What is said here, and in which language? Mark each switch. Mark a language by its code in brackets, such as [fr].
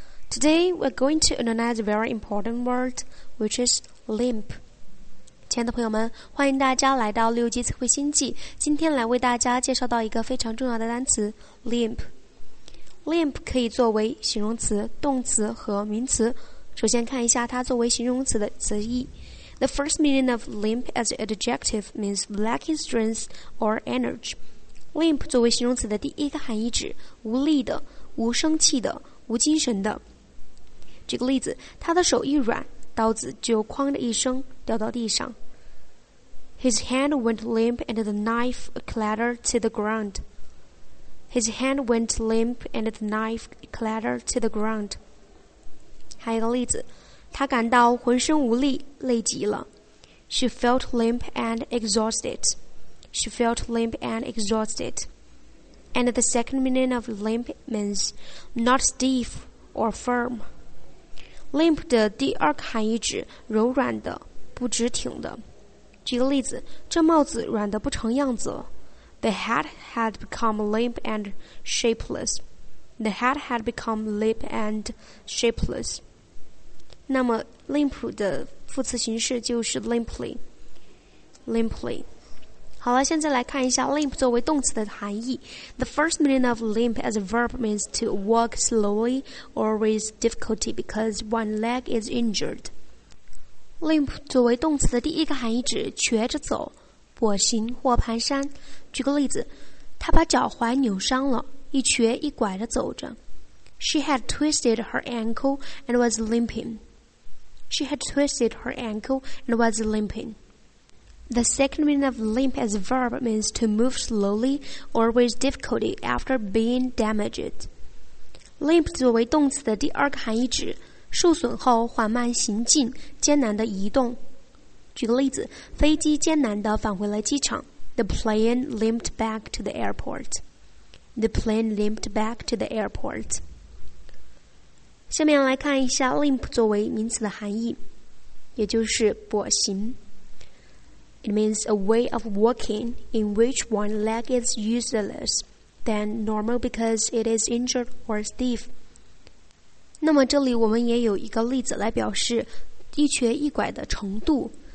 [en] Today, we're going to analyze a very important word, which is limp. [zh] 亲爱的朋友们，欢迎大家来到六级词汇星际。今天来为大家介绍到一个非常重要的单词 limp。 limp 可以作为形容词、动词和名词。首先看一下它作为形容词的词义。 [en] The first meaning of limp as an adjective means lacking strength or energy. [zh] Limp 作为形容词的第一个含义指无力的、无生气的、无精神的。举个例子，他的手一软，刀子就哐的一声掉到地上。 [en] His hand went limp and the knife clattered to the ground. His hand went limp and the knife clattered to the ground. [zh] 还有一个例子，他感到浑身无力，累极了。 [en] She felt limp and exhausted. She felt limp and exhausted. And the second meaning of limp means not stiff or firm. [zh] Limp 的第二个含义指柔软的、不直挺的。举个例子，这帽子软得不成样子了。 [en] The hat had become limp and shapeless. The hat had become limp and shapeless. [zh] 那么 limp 的副词形式就是 limply. Limply. 好了，现在来看一下 limp 作为动词的含义。 [en] The first meaning of limp as a verb means to walk slowly or with difficulty because one leg is injured. [zh] Limp 作为动词的第一个含义指瘸着走、跛行或蹒跚。举个例子，他把脚踝扭伤了，一瘸一拐地走着。 [en] She had twisted her ankle and was limping. She had twisted her ankle and was limping. The second meaning of limp as a verb means to move slowly or with difficulty after being damaged. [zh] Limp 作为动词的第二个含义指受损后缓慢行进、艰难的移动。举个例子，飞机艰难地返回了机场。 [en] The plane limped back to the airport. The plane limped back to the airport. [zh] 下面来看一下 limp 作为名词的含义，也就是跛行。 [en] It means a way of walking in which one leg is useless than normal because it is injured or stiff. [zh] 那么这里我们也有一个例子来表示一瘸一拐的程度。